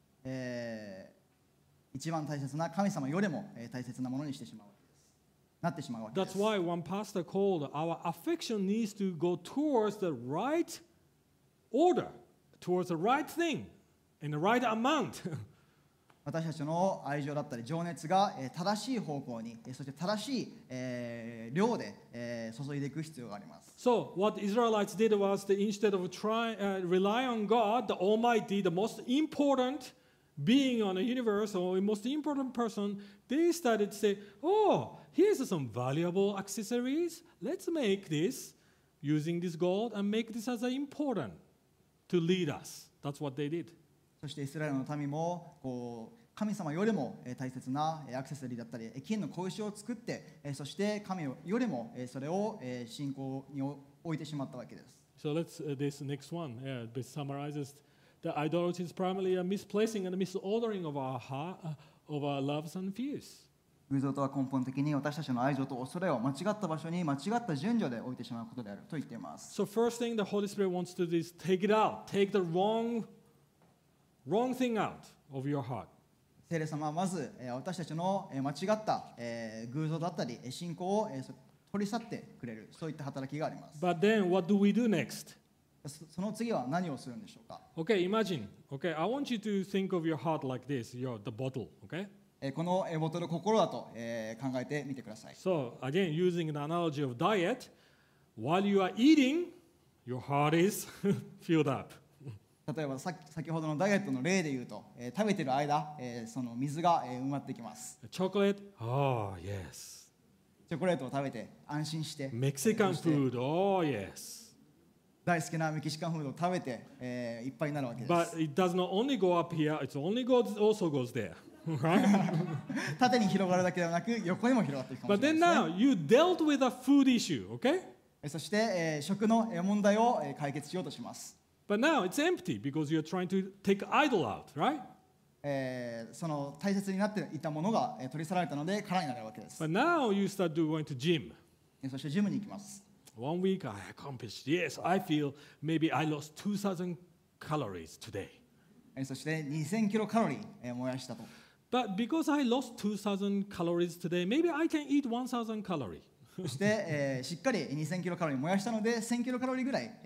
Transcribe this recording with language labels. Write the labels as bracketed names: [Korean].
[Japanese] それが、一番大切な神様よりも、大切なものにしてしまうわけです。なってしまうわけです。 [English] That's why one pastor called our affection needs to go towards the right order, towards the right thing, in the right amount. [Japanese] 私たちの愛情だったり情熱が正しい方向にそして正しい量で注いでいく必要があります。 [English] So what Israelites did was that instead of rely on God, the Almighty, the most important being on the universe or the most important person, they started to say, oh, here's some valuable accessories, let's make this using this gold and make this as important to lead us. That's what they did. [Japanese] そしてイスラエルの民もこう神様よりも大切なアクセサリーだったり金の小石を作ってそして神よりもそれを信仰に置いてしまったわけです。 [English] So let's this next one this summarizes the idolatry is primarily a misplacing and misordering of our heart of our loves and fears。 [Japanese] 偶像とは根本的に私たちの愛情と恐れを間違った場所に間違った順序で置いてしまうことであると言っています。 [English] So first thing the Holy Spirit wants to do is take it out, take the wrong thing out of your heart. [Japanese] 聖霊様はまず私たちの間違った偶像だったり信仰を取り去ってくれるそういった働きがあります。 [English] But then what do we do next? [Japanese] その次は何をするんでしょうか。 [English] Okay, imagine. Okay, I want you to think of your heart like this. You're the bottle, okay? [Japanese] このボトルの心だと考えてみてください。 [English] So again, using the analogy of diet, while you are eating, your heart is filled up. [Japanese] 例えば先ほどのダイエットの例で言うと、食べてる間、その水が埋まってきます。チョコレート、 [English] oh yes。 [Japanese] チョコレートを食べて安心して。メキシカンフード、 [English] oh yes。 [Japanese] 大好きなメキシカンフードを食べて、いっぱいになるわけです。 [English] But it does not only go up here, it only goes also goes there, right? [Japanese] 縦に広がるだけではなく、横にも広がっていくかもしれないですね。 [English] But then now you dealt with a food issue, okay? [Japanese] そして、食の問題を解決しようとします。 [English] But now it's empty because you're trying to take idol out, right? [Japanese] その大切になっていたものが取り去られたので空になるわけです。 [English] But now you start going to gym. [Japanese] そしてジムに行きます。 [English] One week I accomplished. Yes, I feel maybe I lost 2,000 calories today. [Japanese] そして2,000キロカロリー燃やしたと。 [English] But because I lost 2,000 calories today, maybe I can eat 1,000 calories. [Japanese] そして、しっかり2000キロカロリー燃やしたので1000キロカロリーぐらい、